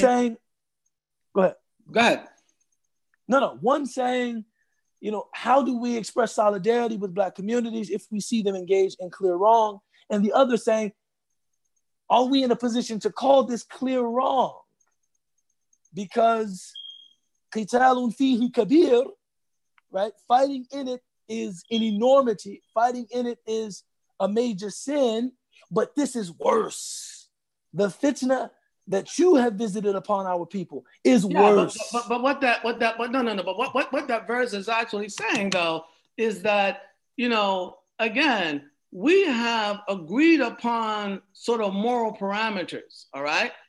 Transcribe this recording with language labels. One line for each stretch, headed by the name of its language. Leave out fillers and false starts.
English: saying, go ahead. Go ahead. No, one saying, you know, how do we express solidarity with Black communities if we see them engaged in clear wrong? And the other saying, are we in a position to call this clear wrong? because
Arabic: قِتَالٌ فِيهِ كَبِيرٌ,
English: right? Fighting in it is an enormity. Fighting in it is a major sin, but this is worse. The fitna that you have visited upon our people is worse. But what that verse is actually saying, though, is that, you know, again, we have agreed upon sort of moral parameters, all right?